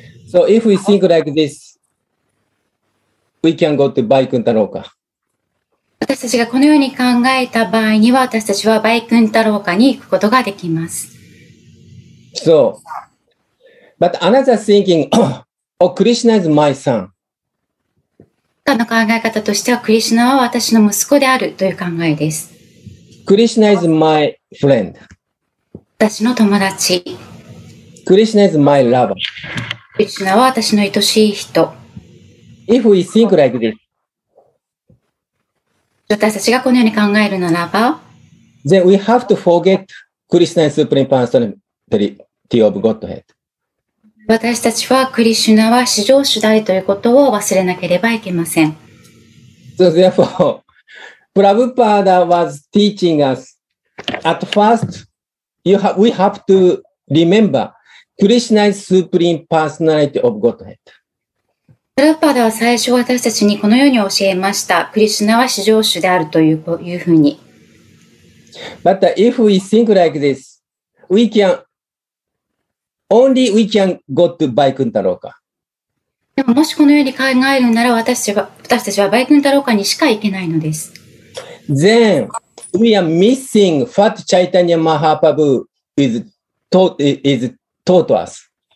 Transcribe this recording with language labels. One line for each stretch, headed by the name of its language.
English: So if we think like this, we can go to バイクンタローカ。
Japanese: 私たちがこのように考えた場合には、私たちはバイクンタローカに行くことができます。
English: So, but another thinking, oh, Krishna is my son.
Japanese: 他の考え方としては、クリシュナは私の息子であるという考えです。
English: クリシュナ is my friend.
Japanese: 私の友達。
English: クリシュナ is my lover.
Japanese: クリシュナは私の愛しい人。
English: If we think like this,
Japanese: 私たちがこのように考えるならば、
English: then we have to forget Krishna is supreme personality of Godhead.
Japanese: 私たちはクリシュナは至上主題ということを忘れなければいけません。
English: So therefore, Prabhupada was teaching us, at first, we have to remember Krishna is supreme personality of Godhead.
Japanese: プラブパーダは最初私たちにこのように教えました。クリシュナは至上主であるというふうに。
English: But if we think like this, we canOnly we can go to Vaikuntha Loka.
Japanese: でももしこのように考えるなら私たちはVaikuntha Lokaにしか行けないのです。
English: Then we are missing what Chaitanya Mahaprabhu is taught us.